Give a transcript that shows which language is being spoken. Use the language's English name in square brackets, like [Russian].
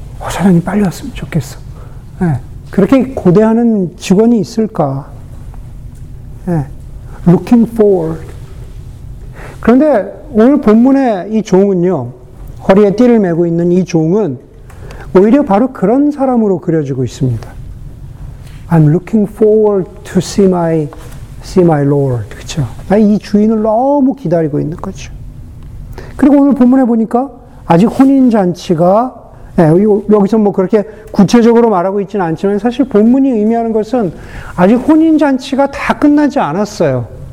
[Korean] 사장님 빨리 왔으면 좋겠어. 예, 그렇게 고대하는 직원이 있을까? [English] 예, looking forward. [Korean] 그런데 오늘 본문의 이 종은요, 허리에 띠를 메고 있는 이 종은 오히려 바로 그런 사람으로 그려지고 있습니다. [English] I'm looking forward to see my Lord. [Korean] 그렇죠? 나의 이 주인을 너무 기다리고 있는 거죠. 그리고 오늘 본문에 보니까 아직 혼인잔치가, 예, 여기서 뭐 그렇게 구체적으로 말하고 있지는 않지만 사실 본문이 의미하는 것은 아직 혼인잔치가 다 끝나지 않았어요.